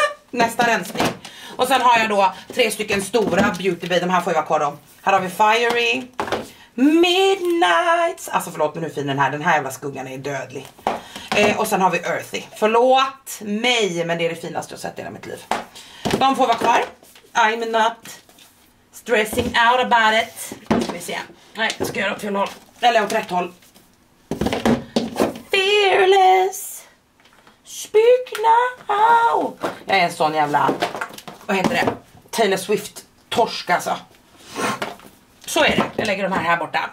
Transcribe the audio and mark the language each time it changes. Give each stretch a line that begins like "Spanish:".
Swedish: Nästa rensning. Och sen har jag då 3 stycken stora Beauty Bay. De här får jag kolla om. Här har vi Fiery. Midnight. Alltså förlåt, men hur fin den här. Den här jävla skuggan är dödlig. Och sen har vi Earthy. Förlåt mig, men det är det finaste jag sett i hela mitt liv. De får vara kvar.
English: I'm not stressing out about it.
Swedish: Ska vi se. Nej, jag ska göra åt fel håll. Eller åt rätt håll. Fearless. Speak now. Jag är en sån jävla, vad heter det, Taylor Swift torsk alltså. Så är det. Jag lägger de här borta.